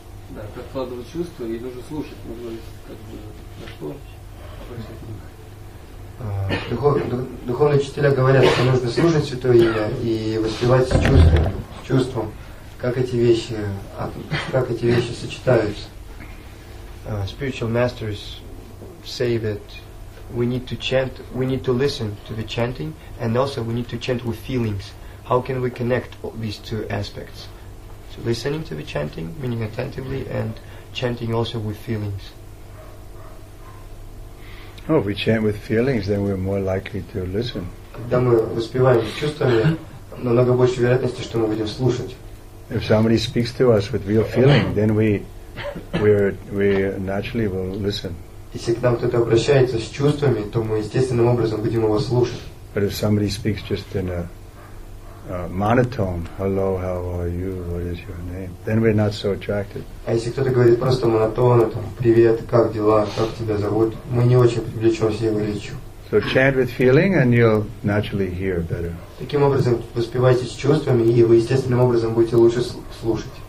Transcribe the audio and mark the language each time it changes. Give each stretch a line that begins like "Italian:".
Russian: Да, как вкладывать чувства, и нужно слушать, нужно как бы на что обращать внимание. Духовные учителя говорят, что нужно слушать Святое Имя и воспевать чувством, как эти вещи сочетаются.
English: Spiritual masters say that we need to chant, we need to listen to the chanting, and also we need to chant with feelings. How can we connect all these two aspects? So listening to the chanting, meaning attentively, and chanting also with feelings. Oh, if we chant with feelings, then we're more likely to listen.
Russian: Когда мы воспеваем чувствами, намного больше вероятности, что мы будем слушать.
English: If somebody speaks to us with real feeling, then we naturally will listen.
Russian: Если к нам кто-то обращается с чувствами, то мы естественным образом будем его слушать.
English: But if somebody speaks just in a monotone, hello, how are you, what is your name, then we're not so attracted.
Russian: А если кто-то говорит просто монотонно, там, привет, как дела, как тебя зовут, мы не очень привлечемся его речью.
English: So chant with feeling, and you'll naturally hear better.
Russian: Таким образом, воспевайте с чувствами, и вы естественным образом будете лучше слушать.